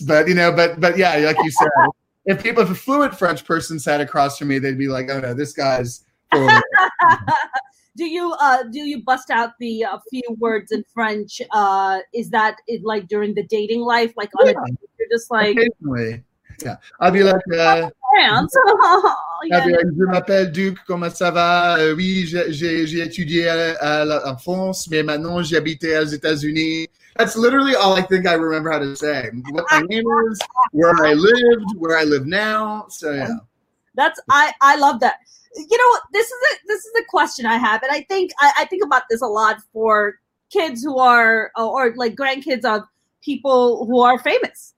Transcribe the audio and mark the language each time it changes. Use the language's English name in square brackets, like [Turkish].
[English] But yeah, like you said, if a fluent French person sat across from me, they'd be like, oh no, this guy's for. Do you bust out the few words in French? Is that it, like during the dating life? Like on a you're just like occasionally. Yeah, I'll be like. Oh, yeah. [French] Je m'appelle Duc, comment ça va? Oui, j'ai étudié en France, mais maintenant j'habite aux États-Unis. [English] That's literally all I think I remember how to say. What my name is, where I live now. So yeah. That's I love that. You know, this is a question I have, and I think about this a lot for kids who are or like grandkids of people who are famous.